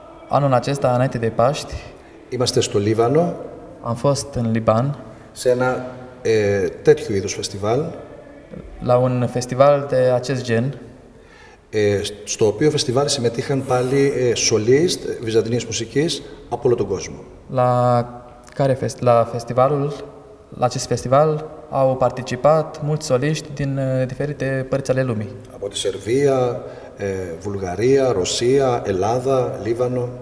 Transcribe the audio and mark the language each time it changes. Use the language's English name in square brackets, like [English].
[Romanian] anul acesta, înainte de Paști, [Greek] είμαστε στο Λίβανο, [Romanian] am fost în Liban, [Greek] σε ένα τέτοιο είδους φεστιβάλ, [Romanian] la un festival de acest gen, [Greek] στο οποίο φεστιβάλ συμμετείχαν πάλι σολίστ βυζαντινής μουσικής από όλο τον κόσμο. [Romanian] La festivalul, la acest festival, au participat mulți soliști din diferite părți ale lumii. [Greek] Από τη Σερβία, Βουλγαρία, Ρωσία, Ελλάδα, Λίβανο.